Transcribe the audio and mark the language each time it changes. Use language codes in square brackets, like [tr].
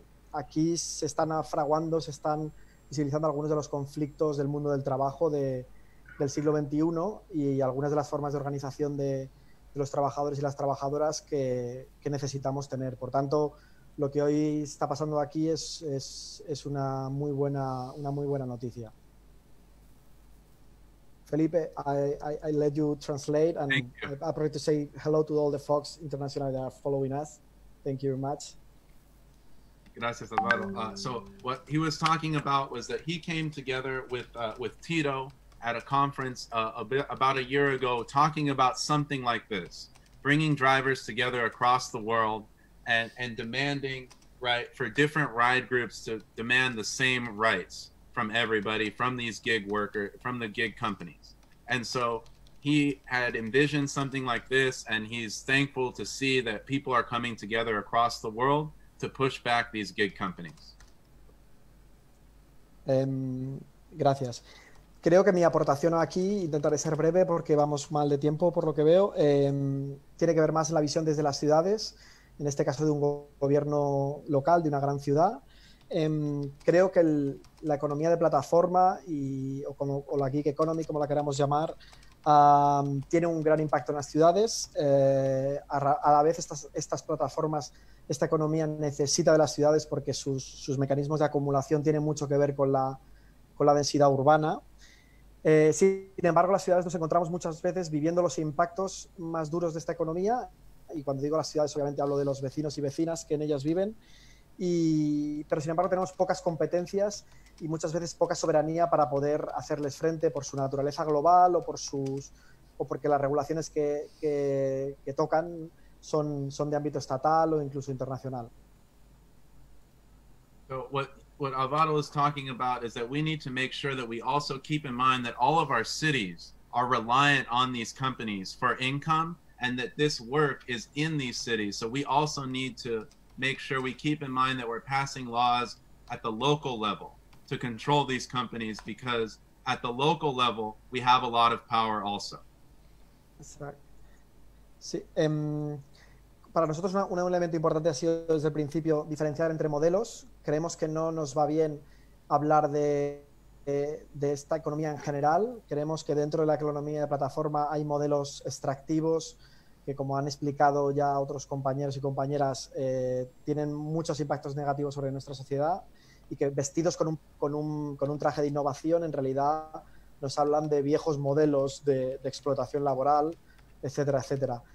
[es] aquí se están fraguando, se están visibilizando algunos de los conflictos del mundo del trabajo del siglo XXI y algunas de las formas de organización de los trabajadores y las trabajadoras que necesitamos tener. Por tanto, lo que hoy está pasando aquí es una muy buena noticia. [en] Felipe, I let you translate and you. I prefer to say hello to all the folks internationally that are following us. Thank you very much. [es] Gracias, Álvaro. [en] So what he was talking about was that he came together with Tito at a conference about a year ago, talking about something like this, bringing drivers together across the world and demanding, right, for different ride groups to demand the same rights from everybody, from these gig workers, from the gig companies. And so he had envisioned something like this, and he's thankful to see that people are coming together across the world to push back these gig companies. [es] Gracias. Creo que mi aportación aquí, intentaré ser breve porque vamos mal de tiempo por lo que veo, tiene que ver más en la visión desde las ciudades, en este caso de un gobierno local, de una gran ciudad. Creo que la economía de plataforma o la gig economy, como la queramos llamar, tiene un gran impacto en las ciudades. A la vez estas plataformas, esta economía necesita de las ciudades porque sus mecanismos de acumulación tienen mucho que ver con la densidad urbana. Sin embargo, las ciudades nos encontramos muchas veces viviendo los impactos más duros de esta economía, y cuando digo las ciudades obviamente hablo de los vecinos y vecinas que en ellas viven, pero sin embargo tenemos pocas competencias y muchas veces poca soberanía para poder hacerles frente por su naturaleza global o porque las regulaciones que tocan son de ámbito estatal o incluso internacional. [en] So what Alvaro is talking about is that we need to make sure that we also keep in mind that all of our cities are reliant on these companies for income, and that this work is in these cities. So we also need to make sure we keep in mind that we're passing laws at the local level to control these companies, because at the local level, we have a lot of power also. [es] Exacto. Sí, para nosotros un elemento importante ha sido desde el principio diferenciar entre modelos. Creemos que no nos va bien hablar de esta economía en general. Creemos que dentro de la economía de plataforma hay modelos extractivos que, como han explicado ya otros compañeros y compañeras, tienen muchos impactos negativos sobre nuestra sociedad, y que vestidos con un traje de innovación, en realidad nos hablan de viejos modelos de explotación laboral, etcétera, etcétera.